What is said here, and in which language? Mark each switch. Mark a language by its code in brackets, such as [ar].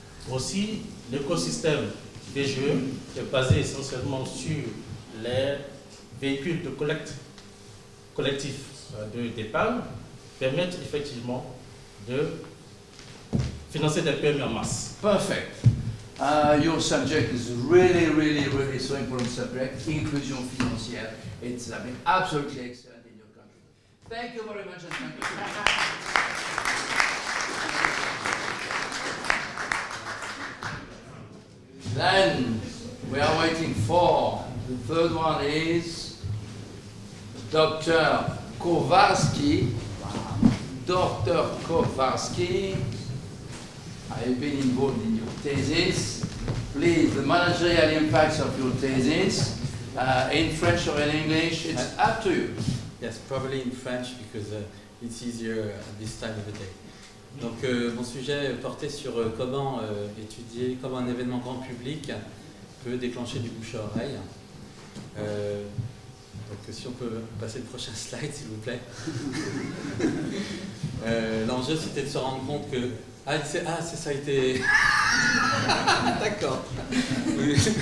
[fr] Aussi, l'écosystème BGE est basé essentiellement sur les véhicules de collecte collectif d'épargne, permettent effectivement de financer des PME en masse. [en] Perfect. Your subject is really, really, really so important subject, [fr] inclusion financière. [en] It's absolutely excellent in your country. Thank you very much. Then, we are waiting for, the third one is Dr. Kowalski. Dr. Kowalski, I have been involved in your thesis. Please, the managerial impacts of your thesis, in French or in English, it's up to you. Yes, probably in French because it's easier at this time of the day. [fr] Donc, mon sujet portait sur comment étudier, comment un événement grand public peut déclencher du bouche à oreille. Donc, si on peut passer le prochain slide, s'il vous plaît. L'enjeu, c'était de se rendre compte que... Ah, c'est ça, d'accord. Oui.